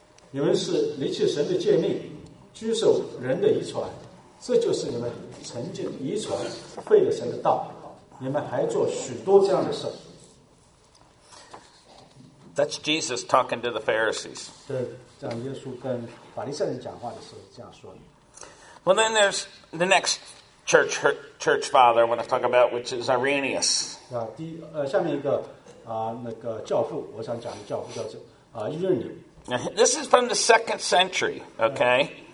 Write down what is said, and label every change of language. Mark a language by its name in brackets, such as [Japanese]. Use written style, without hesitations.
[Chinese] 你们是离弃神的诫命，拘守人的遗传，这就是你们曾经遗传废了神的道，你们还做许多这样的事。 [English] That's Jesus talking to the Pharisees. [Chinese] 对，讲耶稣跟法利赛人讲话的时候这样说的。 [English] Well, then there's the next church father I want to talk about, which is Irenaeus. [Chinese] 下面一个那个教父，我想讲的教父叫做伊任尼。 [English] Now, this is from the second century, okay?